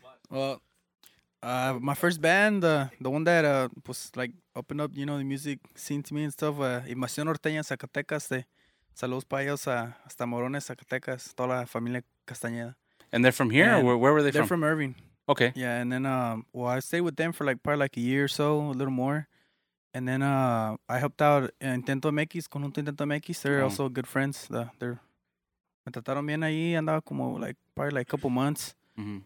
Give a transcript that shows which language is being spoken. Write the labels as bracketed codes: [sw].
[en] Well, my first band, the one that was like opened up, you know, the music scene to me and stuff, Invasión Norteña Zacatecas. [es] Saludos para ellos hasta Morones, Zacatecas, toda la familia Castañeda. [en] And they're from here? Or where were they they're from? They're from Irving. Okay. Yeah, and then I stayed with them for like probably like a year or so, a little more. And then I helped out Intento MX, Conjunto Intento MX. They're also good friends. They're [es] me trataron bien ahí, andaba como [en] like probably like a couple months. Mm-hmm.